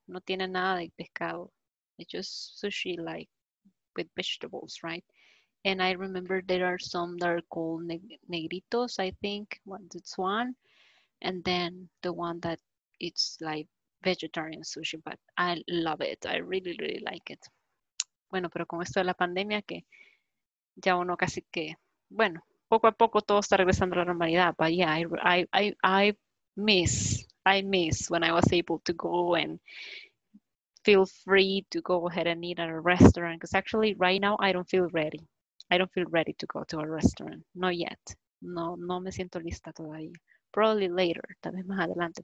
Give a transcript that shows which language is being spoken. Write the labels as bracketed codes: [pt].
[es] No tiene nada de pescado. [en] It's just sushi, like, with vegetables, right? And I remember there are some that are called negritos, I think, that's one. And then the one that it's like vegetarian sushi, but I love it. I really, really like it. [es] Bueno, pero con esto de la pandemia que... Ya uno casi que, bueno, poco a poco todo está regresando a la normalidad. [en] But yeah, I miss when I was able to go and feel free to go ahead and eat at a restaurant. Because actually right now I don't feel ready. I don't feel ready to go to a restaurant. Not yet. [es] No me siento lista todavía. [en] Probably later, [es] tal vez más adelante.